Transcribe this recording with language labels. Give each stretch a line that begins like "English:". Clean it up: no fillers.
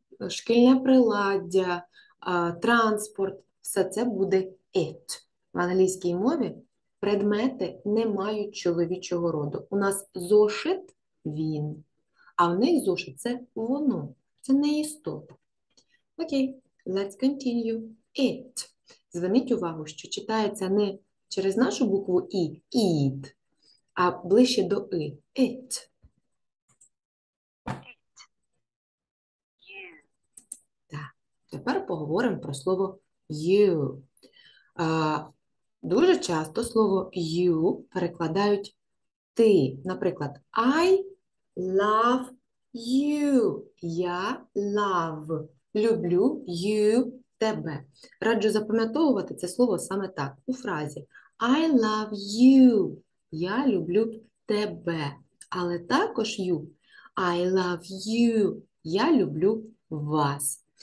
Ukrainian: шкільне приладдя, транспорт, все це буде it. В англійській мові предмети не мають чоловічого роду. У нас зошит – він, а в них зошит – це воно, це не істота.
English: Окей, let's continue. It.
Ukrainian: Зверніть увагу, що читається не через нашу букву «і» – «ід», а ближче до «и» – «it». Тепер поговоримо про слово «you». Дуже часто слово «you» перекладають «ти».
English: Наприклад, «I love you».
Ukrainian: «Я love». «Люблю you» – тебе. Раджу запам'ятовувати це слово саме так, у фразі.
English: «I love you».
Ukrainian: «Я люблю тебе». Але також «you».
English: «I love you».
Ukrainian: «Я люблю вас».